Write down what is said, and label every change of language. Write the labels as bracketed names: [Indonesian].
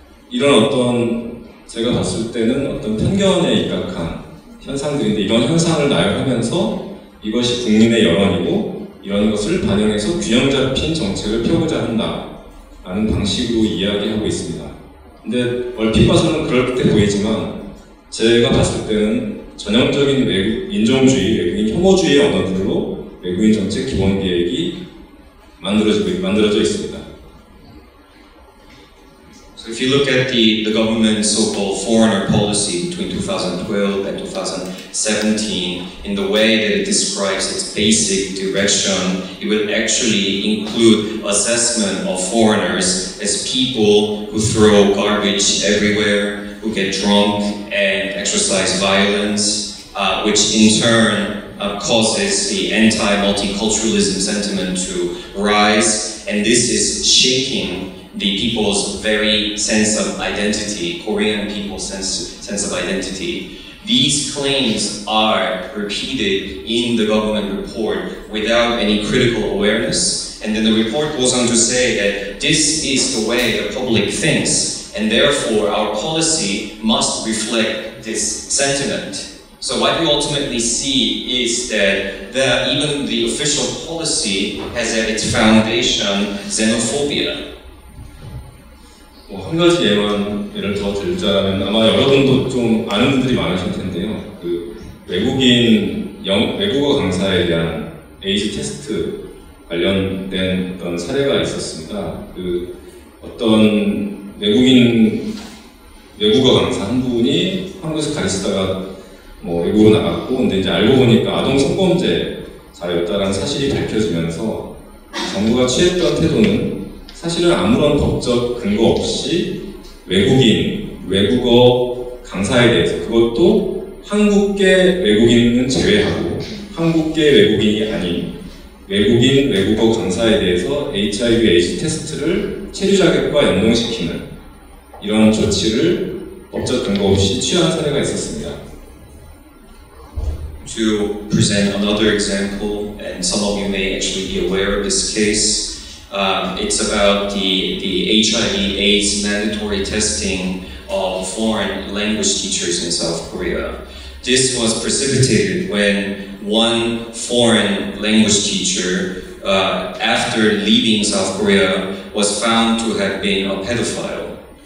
[Korean] 이런 어떤 제가 봤을 때는 어떤 편견에 입각한 현상들인데 이런 현상을 나열하면서 이것이 국민의 여론이고 이런 것을 반영해서 균형 잡힌 정책을 펴고자 한다 라는 방식으로 이야기하고 있습니다. 근데 얼핏 봐서는 그럴듯해 보이지만 제가 봤을 때는 전형적인 외국 인종주의, 외국인 혐오주의의 언어들로 외국인 정책 기본 계획이 만들어져 있습니다. [English] So If you look at the government's so-called foreigner policy between 2012 and 2017, in the way that it describes its basic direction, it would actually include assessment of foreigners as people who throw garbage everywhere, who get drunk and exercise violence, which in turn causes the anti-multiculturalism sentiment to rise, and this is shaking the people's very sense of identity, Korean people's sense of identity. These claims are repeated in the government report without any critical awareness, and then the report goes on to say that this is the way the public thinks, and therefore our policy must reflect this sentiment. So what you ultimately see is that even the official policy has at its foundation xenophobia. [Korean] 한 가지 예만 예를 더 들자면 아마 여러분도 좀 아는 분들이 많으실 텐데요. 그 외국어 강사에 대한 에이지 테스트 관련된 어떤 사례가 있었습니다. 그 어떤 외국어 강사 한 분이 한국에서 가르치다가 뭐 외국으로 나갔고, 근데 이제 알고 보니까 아동 성범죄자였다라는 사실이 밝혀지면서 정부가 취했던 태도는 사실은 아무런 법적 근거 없이 외국인, 외국어 강사에 대해서 그것도 한국계 외국인은 제외하고 한국계 외국인이 아닌 외국인, 외국어 강사에 대해서 HIV, AIDS 테스트를 체류 자격과 연동시키는 이런 조치를 법적 근거 없이 취한 사례가 있었습니다. [English] To present another example, and some of you may actually be aware of this case. It's about the HIV/AIDS mandatory testing of foreign language teachers in South Korea. This was precipitated when one foreign language teacher, after leaving South Korea, was found to have been a pedophile.